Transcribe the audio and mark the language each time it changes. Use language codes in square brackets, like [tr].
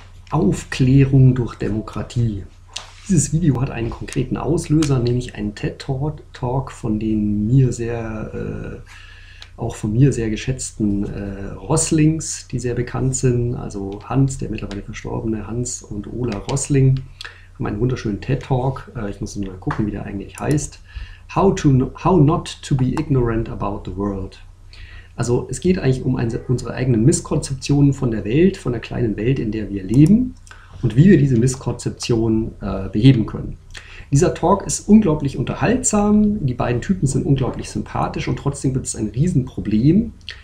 [de] Aufklärung durch Demokratie. Dieses Video hat einen konkreten Auslöser, nämlich einen TED-Talk von den mir sehr, auch von mir sehr geschätzten Rosslings, die sehr bekannt sind. Also Hans, der mittlerweile verstorbene Hans und Ola Rossling, haben einen wunderschönen TED-Talk. Ich muss mal gucken, wie der eigentlich heißt. [en] How not to be ignorant about the world. [de] Also es geht eigentlich um unsere eigenen Misskonzeptionen von der Welt, von der kleinen Welt, in der wir leben und wie wir diese Misskonzeptionen beheben können. Dieser Talk ist unglaublich unterhaltsam, die beiden Typen sind unglaublich sympathisch und trotzdem wird es ein Riesenproblem.